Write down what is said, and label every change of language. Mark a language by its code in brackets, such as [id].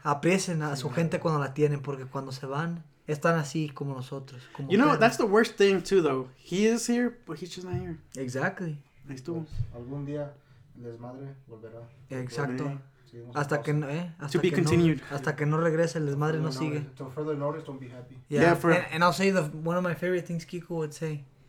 [es] Aprecien a su gente cuando la tienen, porque cuando se van, están así como nosotros. Como [en] you know, perros. That's the worst thing, too, though. He is here, but he's just not here. Exactly. [es] Ahí estuvo. Pues, algún día, el desmadre volverá. Exacto. Hasta que no, [en] To be continued. [es] No, hasta que no regrese, el desmadre no sigue. [en] To further notice, don't be happy. Yeah, for and I'll say one of my favorite things Kiko would say.